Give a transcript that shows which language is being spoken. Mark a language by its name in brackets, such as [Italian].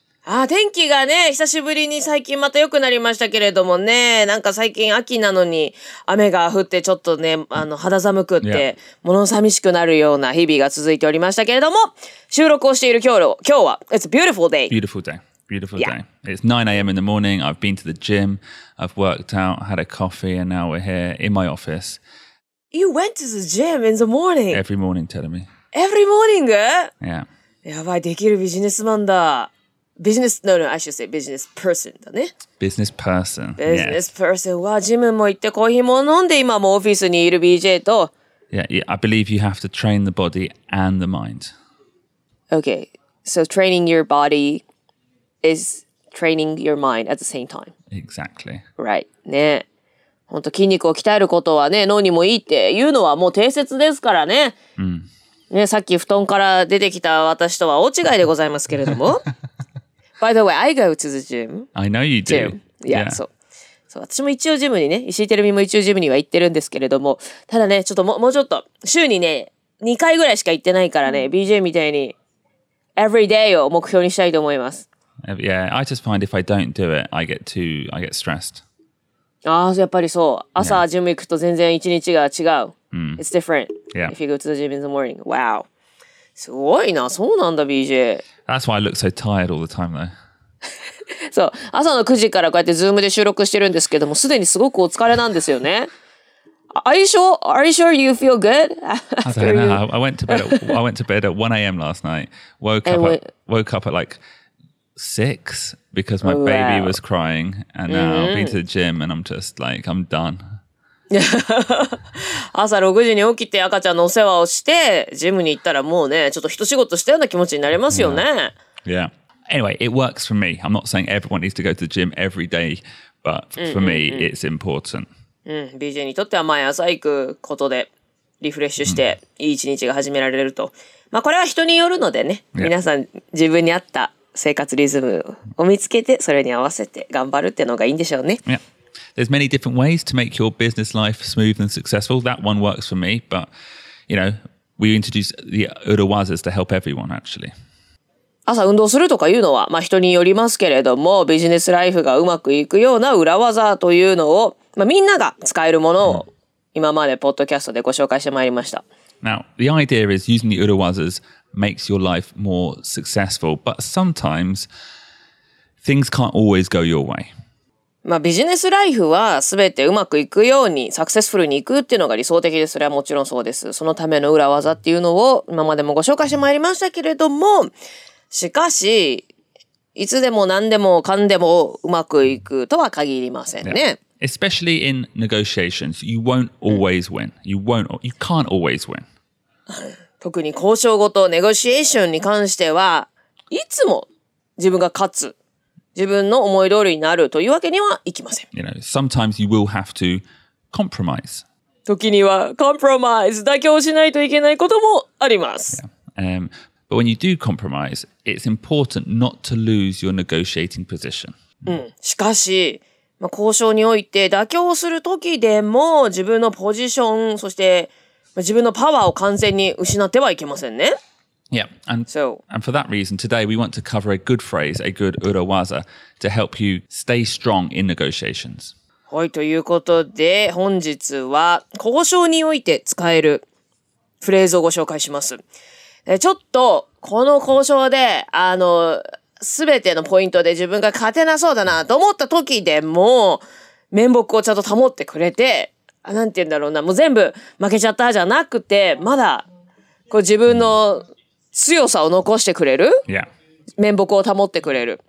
[Japanese] あ、天気がね、久しぶりに最近また良くなりましたけれどもね、なんか最近秋なのに雨が降ってちょっとね、あの肌寒くって、物寂しくなるような日々が続いておりましたけれども、収録をしている今日は、 [English] It's a beautiful day. Beautiful day. Beautiful day. It's 9 a.m. in the morning. I've been to the gym. I've worked out, had a coffee, and now we're here in my office. You went to the gym in the morning? Every morning, tell me. Every morning? Yeah. [Japanese] やばい、できるビジネスマンだ。 [English] ビジネス、I should say business person だね。 Business person. [Japanese] Business person はジムも行ってコーヒーも飲んで今もオフィスにいる BJ と。 [English] Yeah, I believe you have to train the body and the mind. Okay, so training your body is training your mind at the same time. Exactly. Right. ね。 [Japanese] 本当筋肉を鍛えることはね、脳にもいいっていうのはもう定説ですからね。ね、さっき布団から出てきた私とは大違いでございますけれども。 [English] By the way, I go to the gym. I know you do. Yeah, yeah. [Japanese] そう私も一応ジムにね、石井てるみも一応ジムには行ってるんですけれども、ただね、ちょっと もうちょっと、週にね、2回ぐらいしか行ってないからね、BJ みたいに、 [English] every day [Japanese] を目標にしたいと思います。 [English] Yeah, I just find if I don't do it, I get stressed. [Japanese] ああ、やっぱりそう。朝、yeah. ジム行くと全然一日が違う。 Mm. [English] It's different. Yeah. If you go to the gym in the morning. Wow. [Japanese] すごいな、そうなんだ BJ。 [English] That's why I look so tired all the time though. [Japanese] そう、朝の9時からこうやってズームで収録してるんですけども、すでにすごくお疲れなんですよね。 [English] Are you sure you feel good? I went to bed at 1 a.m. last night. Woke up at like 6 because my baby was crying, and now I've been to the gym and I'm just like I'm done. [Japanese] 朝6時に起きて赤ちゃんのお世話をしてジムに行ったらもうねちょっと一仕事したような気持ちになりますよね。 [English] Yeah. Anyway, it works for me. I'm not saying everyone needs to go to the gym every day, but for me, it's important. [Japanese] BJ にとっては毎朝行くことでリフレッシュしていい一日が始められると、まあこれは人によるのでね、皆さん自分に合った生活リズムを見つけてそれに合わせて頑張るっていうのがいいんでしょうね。 [English] Yeah. There's many different ways to make your business life smooth and successful. That one works for me, but, you know, we introduce the urawazas to help everyone, actually. [Japanese] 朝運動するとかいうのは、まあ人によりますけれども、ビジネスライフがうまくいくような裏技というのを、まあみんなが使えるものを今までポッドキャストでご紹介してまいりました。 [English] Now, the idea is using the urawazas makes your life more successful, but sometimes things can't always go your way. [Japanese] まあ、ビジネスライフは全てうまくいくようにサクセスフルにいくっていうのが理想的です。それはもちろんそうです。そのための裏技っていうのを今までもご紹介してまいりましたけれども、しかしいつでも何でもかんでもうまくいくとは限りませんね。 [English] Especially in negotiations, you won't always win. You can't always win. [Japanese] 特に交渉ごと、ネゴシエーションに関してはいつも自分が勝つ、自分の思い通りになるというわけにはいきません。 [English] You know, sometimes you will have to compromise. [Japanese] 時には compromise、妥協しないといけないこともあります。 [English] Yeah. But when you do compromise, it's important not to lose your negotiating position. [Japanese] しかし、まあ、交渉において妥協するときでも自分のポジション、そして自分のパワーを完全に失ってはいけませんね。 [English] Yeah, and for that reason, today we want to cover a good phrase, a good urawaza, to help you stay strong in negotiations. [Japanese] はい、ということで本日は交渉において使えるフレーズをご紹介します。ちょっとこの交渉で、あの、すべてのポイントで自分が勝てなそうだなと思った時でも、面目をちゃんと保ってくれて、なんて言うんだろうな、もう全部負けちゃったじゃなくて、まだこう自分の、強さを残してくれる、面目を保ってくれる、